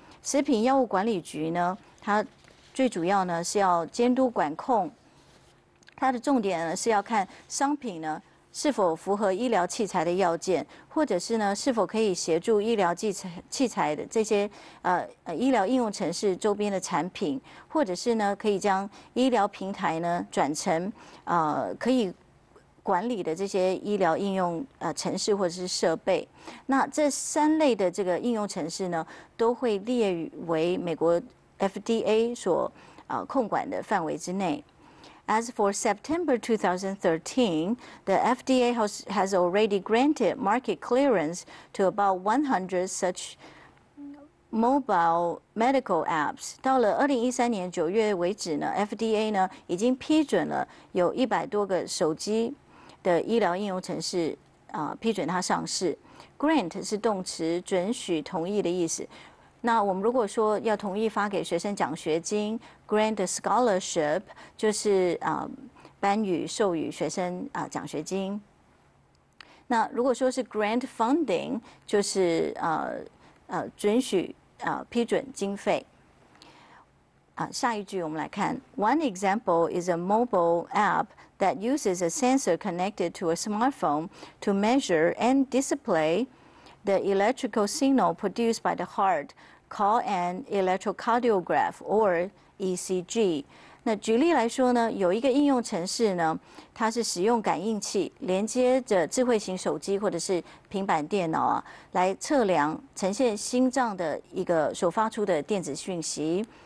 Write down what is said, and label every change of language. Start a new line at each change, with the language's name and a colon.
Chinese: 食品药物管理局呢，它最主要呢是要监督管控，它的重点呢是要看商品呢是否符合医疗器材的要件，或者是呢是否可以协助医疗器材的这些医疗应用程式周边的产品，或者是呢可以将医疗平台呢转成可以管理的这些医疗应用程式或者是设备。那这三类的这个应用程式呢，都会列为美国 FDA 所控管的范围之内。
English: As for September 2013, the FDA has already granted market clearance to about 100 such mobile medical apps.
Chinese: 到了2013年9月为止呢 ，FDA 呢已经批准了有100多个手机的医疗应用程式批准它上市。 Grant 是动词，准许、同意的意思。那我们如果说要同意发给学生奖学金 ，
English: grant scholarship
Chinese: 就是颁予、授予学生奖学金。那如果说是
English: grant funding，
Chinese: 就是准许批准经费。下一句我们来看
English: ，One example is a mobile app that uses a sensor connected to a smartphone to measure and display. The electrical signal produced by the heart, called an electrocardiograph or ECG.
Chinese: 那举例来说呢，有一个应用程式呢，它是使用感应器连接着智慧型手机或者是平板电脑啊，来测量呈现心脏的一个所发出的电子讯息。